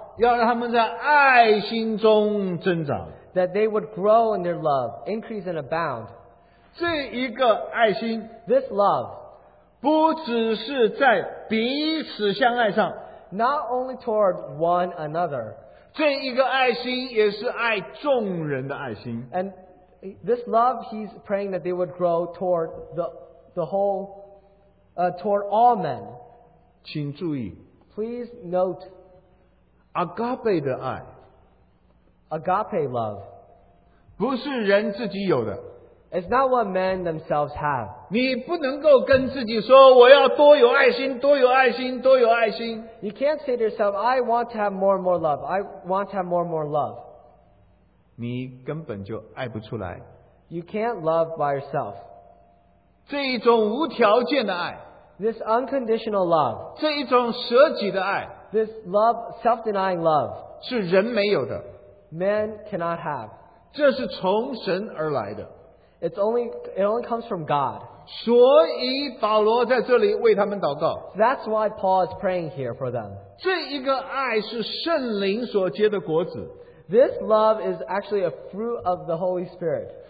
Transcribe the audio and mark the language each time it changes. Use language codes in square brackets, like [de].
[zh] 要让他们在爱心中增长, [en] that they would grow in their love, increase and abound. [zh] 这一个爱心, [en] this love, [zh] 不只是在彼此相爱上, [en] not only toward one another, [zh] 这一个爱心也是爱众人的爱心, [en] and this love, he's praying that they would grow toward the whole, toward all men. [zh] 请注意, [en] please note, [zh] agape 的爱, [en] agape love, [zh] 不是人自己有的, [en] it's not what men themselves have. [zh] 你不能够跟自己说, 我要多有爱心, 多有爱心, 多有爱心, [en] you can't say to yourself, I want to have more and more love, I want to have more and more love. [zh] 你根本就爱不出来, [en] you can't love by yourself. [zh] 这一种无条件的爱, [en] this unconditional love, [zh] 这一种舍己的爱, [en] this love, self-denying love, [zh] 是人没有的, [en] man cannot have. [zh] 这是从神而来的, [en] it only comes from God. [zh] 所以保罗在这里为他们祷告, [en] that's why Paul is praying here for them. [zh] 这一个爱是圣灵所结的果子, [en] this love is actually a fruit of the Holy Spirit.